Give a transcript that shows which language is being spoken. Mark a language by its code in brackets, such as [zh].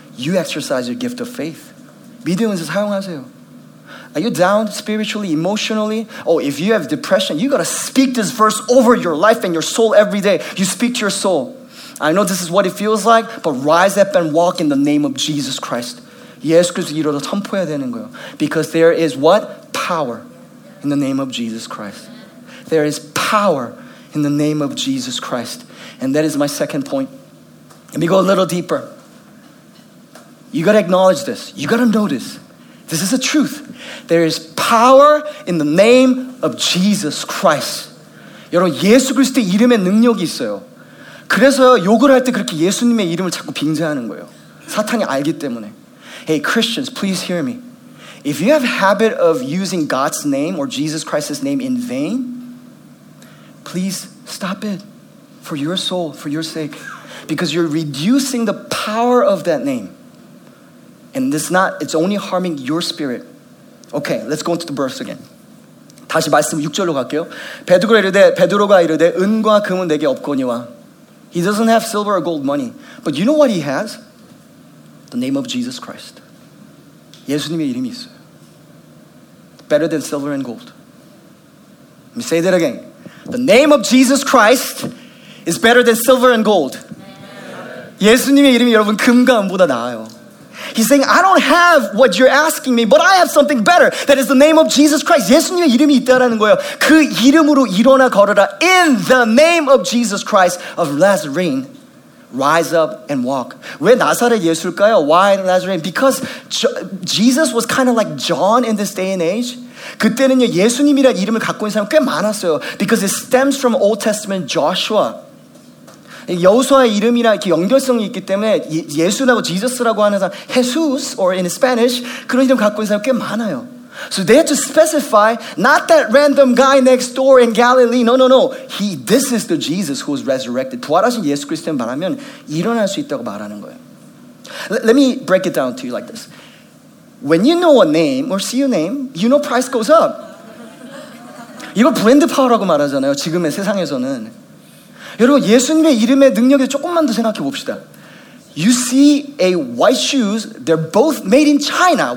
[en] You exercise your gift of faith. [ko] 믿음을 사용하세요. [en] Are you down spiritually, emotionally? Oh, if you have depression, you gotta speak this verse over your life and your soul every day. You speak to your soul. I know this is what it feels like, but rise up and walk in the name of Jesus Christ. [ko] 예수 그리스도 이름으로 선포해야 되는 거예요. [en] Because there is what? Power in the name of Jesus Christ. There is power in the name of Jesus Christ. And that is my second point. Let me go a little deeper. You gotta acknowledge this. You gotta know this. This is the truth. There is power in the name of Jesus Christ. [ko] 여러분, 예수 그리스도의 이름에 능력이 있어요. 그래서 욕을 할 때 그렇게 예수님의 이름을 자꾸 빙자하는 거예요. 사탄이 알기 때문에. [en] Hey, Christians, please hear me. If you have a habit of using God's name or Jesus Christ's name in vain, please stop it for your soul, for your sake. Because you're reducing the power of that name. And it's not, it's only harming your spirit. Okay, let's go into the verse again. [ko] 다시 말씀 6절로 갈게요. 베드로가 이르되, 베드로가 이르되, 은과 금은 내게 없거니와. [en] He doesn't have silver or gold money. But you know what he has? The name of Jesus Christ. [ko] 예수님의 이름이 있어요. [en] Better than silver and gold. Let me say that again. The name of Jesus Christ is better than silver and gold. [ko] 예수님의 이름이 여러분 금과 은보다 나아요. [en] He's saying, I don't have what you're asking me, but I have something better. That is the name of Jesus Christ. [ko] 예수님의 이름이 있다라는 거예요. 그 이름으로 일어나 걸어라. [en] In the name of Jesus Christ of Nazarene, rise up and walk. [ko] 왜 나사렛 예수일까요? [en] Why Nazarene? Because Jesus was kind of like John in this day and age. [ko] 그때는요, 예수님이라는 이름을 갖고 있는 사람 꽤 많았어요. [en] Because it stems from Old Testament Joshua. [ko] 여호수아의 이름이랑 이렇게 연결성이 있기 때문에 예수라고 지저스라고 하는 사람, [en] Jesus or in Spanish [ko] 그런 이름 갖고 있는 사람 꽤 많아요. [en] So they had to specify not that random guy next door in Galilee. No, no, no. He, this is the Jesus who was resurrected. [ko] 부활하신 예수 그리스도만 말하면 일어날 수 있다고 말하는 거예요. [en] Let me break it down to you like this. When you know a name or see a name, you know price goes up. [ko] 이걸 브랜드 파워라고 말하잖아요. 지금의 세상에서는. 여러분 예수님의 이름의 능력에 조금만 더 생각해 봅시다. [en] You see a white shoes, they're both made in China.